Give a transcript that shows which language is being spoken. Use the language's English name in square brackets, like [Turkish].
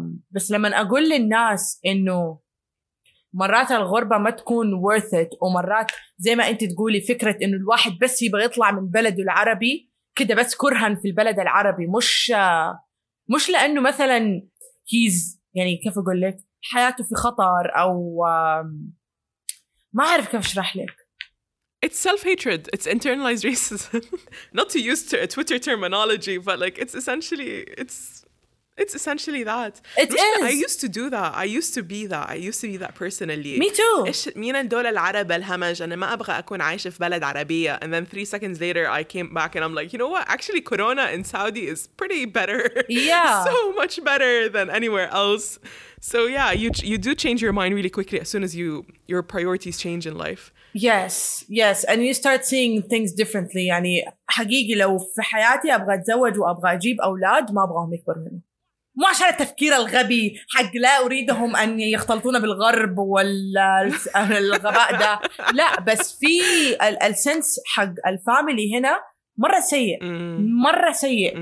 [Arabic] بس لما أقول للناس إنه مرات الغربة ما تكون worth it ومرات زي ما أنت تقولي فكرة إنه الواحد بس يبغى يطلع من بلده العربي كده بس كرها في البلد العربي مش لأنه مثلا he's يعني كيف أقول لك حياته في خطر أو ما أعرف كيف أشرح لك. [English] It's self-hatred. It's internalized racism. Not to use Twitter terminology, but like it's essentially that. It is. I used to do that. I used to be that. I used to be that personally. Me too. [Arabic] إيش مين الدول العرب الهمج أنا ما أبغى أكون عايشة في بلد عربية. [English] And then 3 seconds later, I came back and I'm like, you know what? Actually, Corona in Saudi is pretty better. Yeah. So much better than anywhere else. So yeah, you do change your mind really quickly as soon as your priorities change in life. Yes, yes, and you start seeing things differently. [Arabic] يعني حقيقي لو في حياتي أبغى أتزوج وأبغى أجيب أولاد ما أبغاهم يكبروا هنا. مو عشان التفكير الغبي حق لا أريدهم أن يختلطون بالغرب والغباء ده. لا بس في السنس حق الفاميلي هنا مرة سيء. مرة سيء.